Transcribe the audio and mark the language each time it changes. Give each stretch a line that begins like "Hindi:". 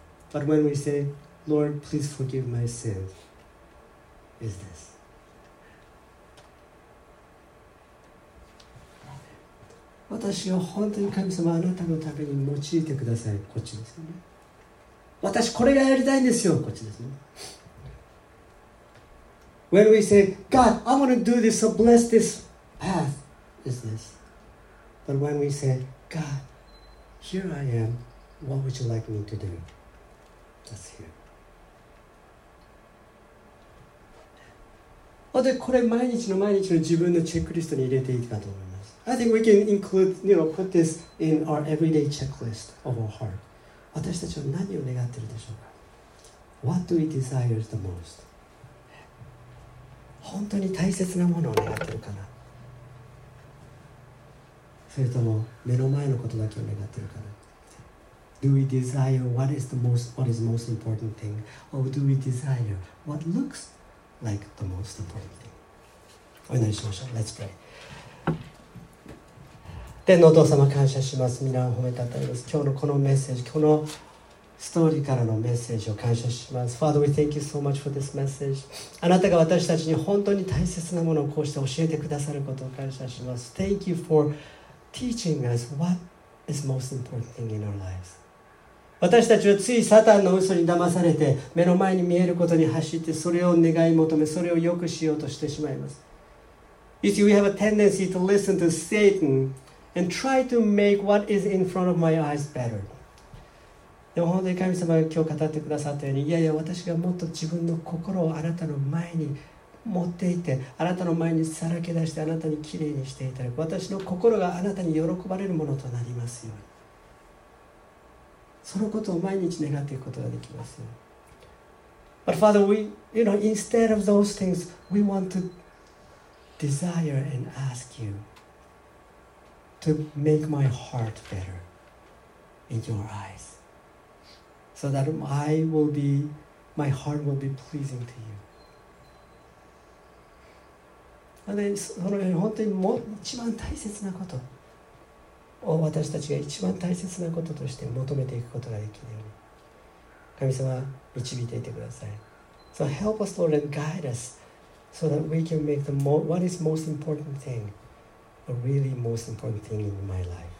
English: But when we say, Lord, please forgive my sins. Is this? Okay.
Japanese: 私を本当に神様あなたのために用いてください。こっちですね。私これがやりたいんですよ。こっちですね。
English: When we say, God, I want to do this, so bless this path, is this? But when we say, God, here I am, what would you like me to do? That's here.
Japanese: でこれ毎日の毎日の自分のチェックリストに入れていいかと思います。
English: I think we can include, you know, put this in our everyday checklist of our heart.
Japanese: 私たちは何を願っているでしょうか。
English: What do we desire the most?
Japanese: 本当に大切なものを願っているかな。それとも目の前のことだけを願っているかな。
English: Do we desire what is the most important thing? Or do we desire what looks? Like the most important thing.
Japanese: お祈りしましょう。
English: Let's pray.
Japanese: 天のお父様、感謝します。皆を褒めたたえます。今日のこのメッセージ、このストーリーからのメッセージを感謝します。
English: Father, we thank you so much for this message.
Japanese: あなたが私たちに本当に大切なものをこうして教えてくださることを感謝します。
English: Thank you for teaching us what is most important thing in our lives.
Japanese: 私たちはついサタンの嘘に騙されて、目の前に見えることに走って、それを願い求め、それを良くしようとしてしまいます。
English: You see, we have a tendency to listen to Satan and try to make what is in front of my eyes better.
Japanese: でも本当に神様が今日語ってくださったように、いやいや、私がもっと自分の心をあなたの前に持っていて、あなたの前にさらけ出して、あなたにきれいにしていただく、私の心があなたに喜ばれるものとなりますように、そのことを毎日願っていくことができます。
English: But Father, we, you know, instead of those things, we want to desire and ask you to make my heart better in your eyes, so that my heart will be pleasing to you. And then,
Japanese: そのように本当にもう一番大切なこと。を私たちが一番大切なこととして求めていくことができるように、神様導いていてください。
English: So help us, Lord, and guide us, so that we can make the most, what is most important thing, a really most important thing in my life.